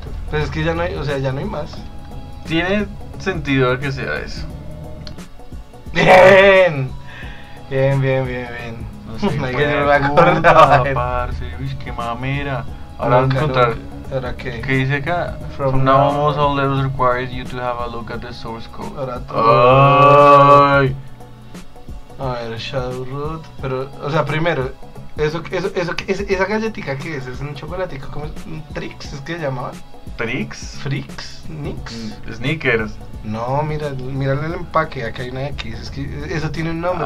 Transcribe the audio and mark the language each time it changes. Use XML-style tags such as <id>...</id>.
<es>Pues es que ya no hay. O sea, ya no hay más. Tiene sentido que sea eso. Bien. No sé, no me acordaba. Parce, uy, qué mamera. Ahora vamos a encontrar. ¿Ahora qué? ¿Qué dice acá?</es> <en>From now, almost all levels require you to have a look at the source code.</en> <es>Ahora todo. Ay. A ver, Shadowroot. Pero, o sea, primero, esa galletita que es un chocolatico, ¿cómo es? ¿Un Trix? ¿Es que se llamaba? ¿Trix? ¿Frix? ¿Nix? Sneakers. No, mira el empaque, acá hay una X, es que eso tiene un nombre.</es>